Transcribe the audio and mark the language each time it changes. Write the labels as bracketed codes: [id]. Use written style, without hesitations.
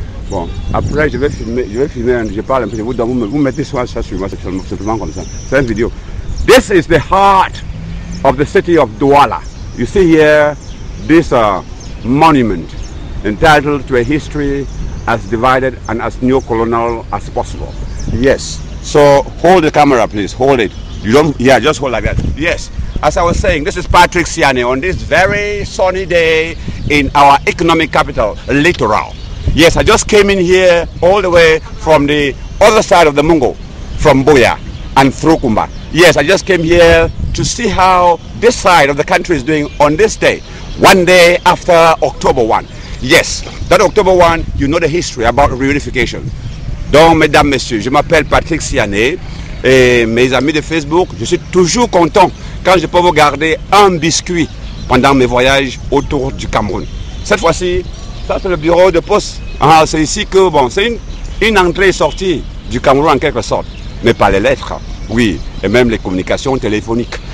[fr] Bon, après je vais filmer, je parle un peu, vous mettez soin ça sur moi, c'est simplement comme ça. C'est une vidéo. [en] This is the heart of the city of Douala. You see here this monument entitled to a history as divided and as neo-colonial as possible. Yes. So hold the camera, please. Hold it. You don't, yeah, just hold like that. Yes. As I was saying, this is Patrick Siani on this very sunny day in our economic capital, Littoral. Yes, I just came in here all the way from the other side of the Mungo, from Boya and through Kumba. Yes, I just came here to see how this side of the country is doing on this day, one day after October 1. Yes, that October 1, you know the history about reunification. [fr] Donc, mesdames, messieurs, je m'appelle Patrick Siani et mes amis de Facebook, je suis toujours content quand je peux vous garder un biscuit pendant mes voyages autour du Cameroun. Cette fois-ci, ça c'est le bureau de poste. Ah, c'est ici que, bon, c'est une entrée et sortie du Cameroun en quelque sorte, mais pas les lettres, oui, et même les communications téléphoniques.